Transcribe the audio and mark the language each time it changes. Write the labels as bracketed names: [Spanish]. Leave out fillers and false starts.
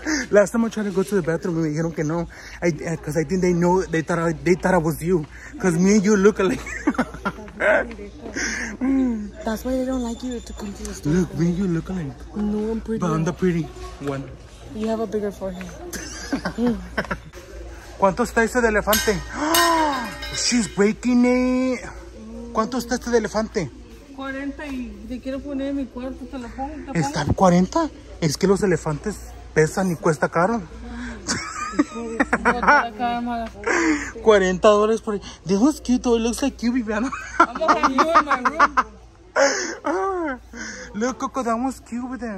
[English] Last time I tried to go to the bathroom, [Spanish] me dijeron que no. [English] Because I think they know, they thought I was you. Because me and you look alike. That's why they don't like you to come to the store. Look, me and you look alike. No, I'm pretty. But I'm the pretty one. You have a bigger forehead. [Spanish] ¿Cuánto está ese de elefante? [English] She's breaking it. [Spanish] ¿Cuánto está este de elefante? 40 y te quiero poner en mi cuarto, te lo pongo. ¿Está 40? Es que los elefantes pesan y cuesta caro. $40 por ahí. [English] This one's cute though, it looks like you, Viviana. I'm gonna have you in my room. Look, Coco, that one's cute over there.